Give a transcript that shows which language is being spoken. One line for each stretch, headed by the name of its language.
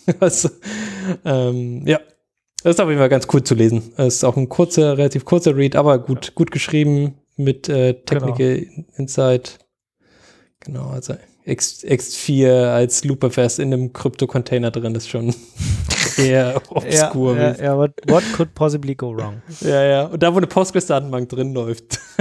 German: Also, ja, das ist auf jeden Fall ganz cool zu lesen. Es ist auch ein kurzer, relativ kurzer Read, aber gut, gut geschrieben mit
English: Technical Insight.
German: Genau, also X4 als Looperfest in einem Krypto-Container drin ist schon eher obskur. Ja, aber
English: what could possibly go wrong?
German: Ja, ja. Und da, wo eine Postgres-Datenbank drin läuft.